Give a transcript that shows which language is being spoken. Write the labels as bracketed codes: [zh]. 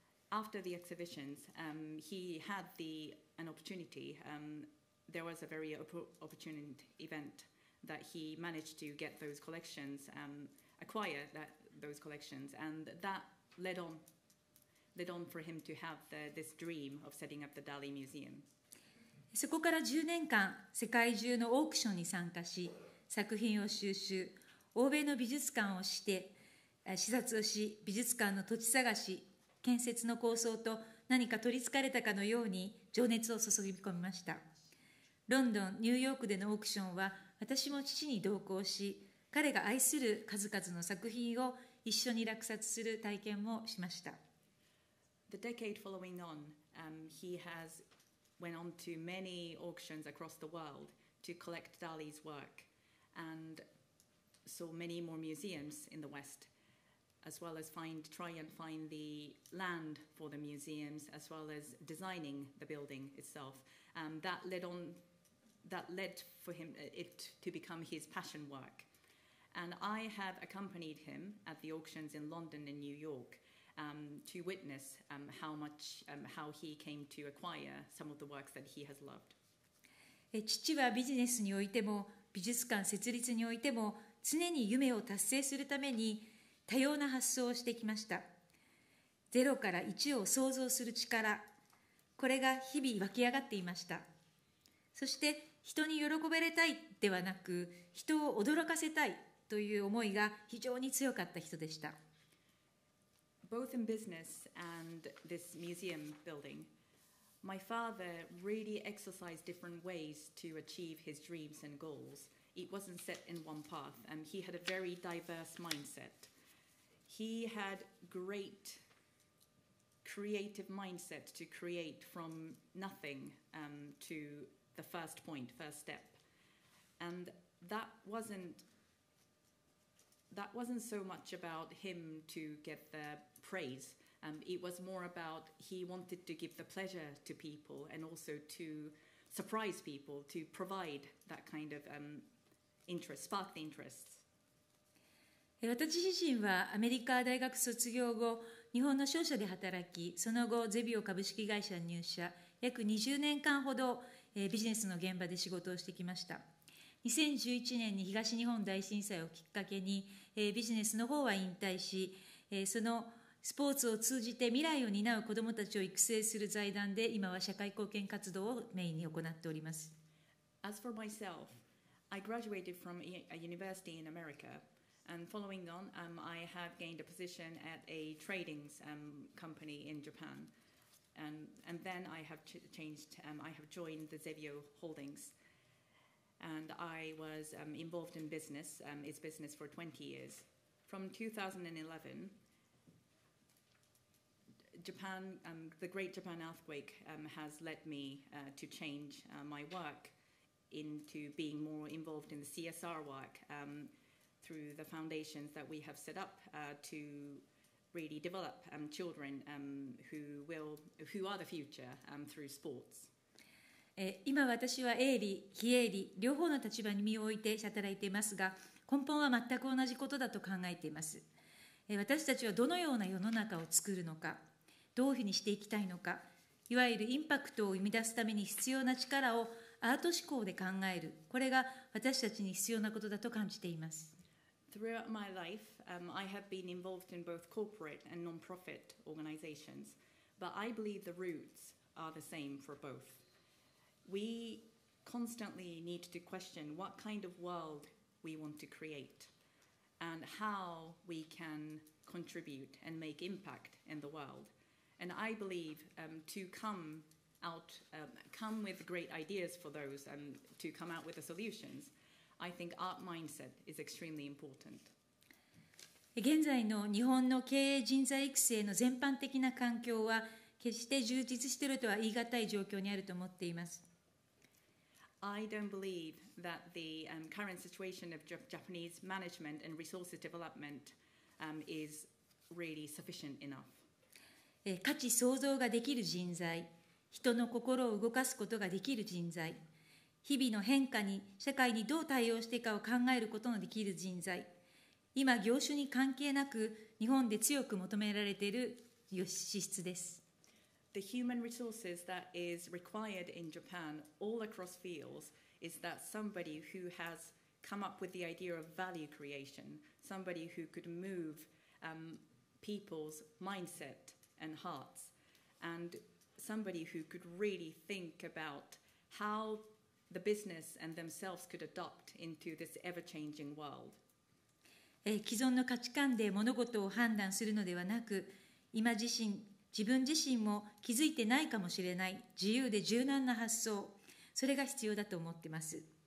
[en] After the exhibitions, he had an opportunity. There was a very opportune event that he managed to get those collections, acquire those collections, and that led on for him to have this dream of setting up the Dali Museum. [ja] そこから10年間、世界中のオークションに参加し、作品を収集、欧米の美術館をして、視察をし、美術館の土地探し、建設の構想と何か取りつかれたかのように情熱を注ぎ込みました。ロンドン、ニューヨークでのオークションは、私も父に同行し、彼が愛する数々の作品を一緒に落札する体験もしました。 [en] The decade following on, he has went on to many auctions across the world to collect Dali's work and saw many more museums in the West, as well as try and find the land for the museums, as well as designing the building itself. That led for him to become his passion work. And I have accompanied him at the auctions in London and New York to witness how he came to acquire some of the works that he has loved. [ja] 父はビジネスにおいても美術館設立においても常に夢を達成するために多様な発想をしてきました。ゼロから一を創造する力、これが日々湧き上がっていました。そして人に喜べれたいではなく、人を驚かせたいという思いが非常に強かった人でした。 [en] Both in business and this museum building, my father really exercised different ways to achieve his dreams and goals. It wasn't set in one path, and he had a very diverse mindset. He had great creative mindset to create from nothing to the first point, first step. And that wasn't so much about him to get the praise. It was more about he wanted to give the pleasure to people and also to surprise people, to provide that kind of interest, spark the interest. [ja] 私自身はアメリカ大学卒業後、日本の商社で働き、その後ゼビオ株式会社に入社、約20年間ほどビジネスの現場で仕事をしてきました。 2011年に東日本大震災をきっかけに、ビジネスの方は引退し、そのスポーツを通じて未来を担う子どもたちを育成する財団で、今は社会貢献活動をメインに行っております。 [en] As for myself, I graduated from a university in America, and following on, I have gained a position at a trading company in Japan, and then I have changed, I have joined the Zevio Holdings, and I was involved in business, its business for 20 years. From 2011, Japan, the Great Japan Earthquake has led me to change my work into being more involved in the CSR work through the foundations that we have set up to really develop children who are the future through sports. [ja] 今私は営利、非営利両方の立場に身を置いて働いていますが、根本は全く同じことだと考えています。私たちはどのような世の中を作るのか、どういうふうにしていきたいのか、いわゆるインパクトを生み出すために必要な力をアート思考で考える、これが私たちに必要なことだと感じています。 [en] Throughout my life, I have been involved in both corporate and non-profit organizations, but I believe the roots are the same for both. We constantly need to question what kind of world we want to create and how we can contribute and make impact in the world. And I believe to come out, come with great ideas for those and to come out with the solutions, I think art mindset is extremely important. [ja] 現在の日本の経営人材育成の全般的な環境は決して充実しているとは言い難い状況にあると思っています。 [en] I don't believe that the current situation of Japanese management and resources development is really sufficient enough. [ja] 価値創造ができる人材、人の心を動かすことができる人材、日々の変化に社会にどう対応していくかを考えることのできる人材、今業種に関係なく日本で強く求められている資質です。 [en] The human resources that is required in Japan all across fields is that somebody who has come up with the idea of value creation, somebody who could move people's mindset and hearts, and somebody who could really think about how the business and themselves could adopt into this ever-changing world. [ja] 既存の価値観で物事を判断するのではなく、今自身自分自身も気づいてないかもしれない自由で柔軟な発想、それが必要だと思ってます。